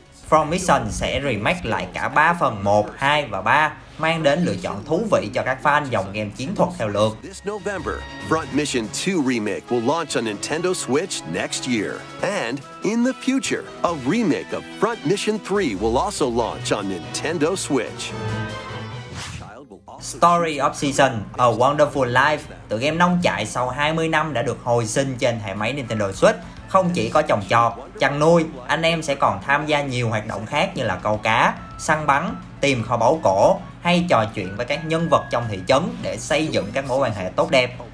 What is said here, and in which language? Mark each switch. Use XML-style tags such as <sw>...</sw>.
<vi>From Mission sẽ remake lại cả 3 phần 1, 2 và 3, mang đến lựa chọn thú vị cho các fan dòng game chiến thuật theo lượt.</vi> <en>This November, Front Mission 2 remake will launch on Nintendo Switch next year. And in the future, a remake of Front Mission 3 will also launch on Nintendo Switch.</en> <vi>Story of Season, A Wonderful Life, tựa game nông trại sau 20 năm đã được hồi sinh trên hệ máy Nintendo Switch. Không chỉ có trồng trọt, chăn nuôi, anh em sẽ còn tham gia nhiều hoạt động khác như là câu cá, săn bắn, tìm kho báu cổ, hay trò chuyện với các nhân vật trong thị trấn để xây dựng các mối quan hệ tốt đẹp.</vi>